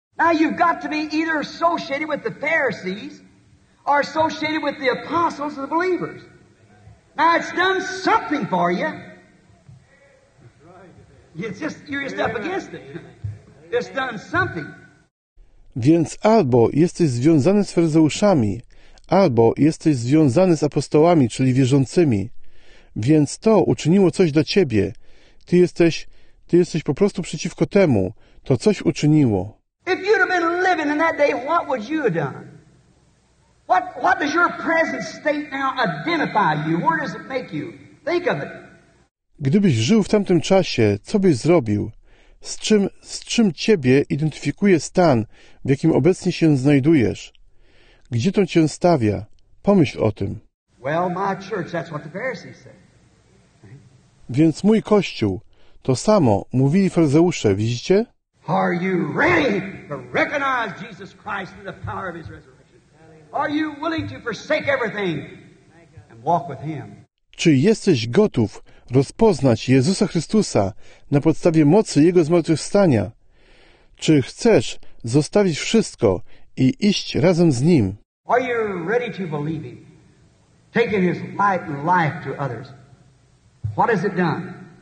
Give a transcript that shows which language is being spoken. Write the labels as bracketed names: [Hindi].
[English] Now you've got to be either associated with the Pharisees or associated with the apostles and the believers. Now it's done something for you. You're just up against it. It's done something. [Polish] Więc albo jesteś związany z faryzeuszami, albo jesteś związany z apostołami, czyli wierzącymi. Więc to uczyniło coś dla ciebie. Ty jesteś po prostu przeciwko temu. To coś uczyniło. [English] If you'd have been living in that day, what would you have done? What does your present state now identify you? Where does it make you? Think of it. [Polish] Gdybyś żył w tamtym czasie, co byś zrobił? Z czym ciebie identyfikuje stan, w jakim obecnie się znajdujesz? Gdzie to cię stawia? Pomyśl o tym. [English] Well, my church, that's what the Pharisees said. [Polish] Więc mój kościół, to samo mówili faryzeusze, widzicie? [English] Are you ready to recognize Jesus Christ in the power of his resurrection? Are you willing to forsake everything and walk with him? [Polish] Czy jesteś gotów rozpoznać Jezusa Chrystusa na podstawie mocy jego zmartwychwstania? Czy chcesz zostawić wszystko i iść razem z nim? [English] Are you ready to believe him? Taking his light and life to others. What has it done?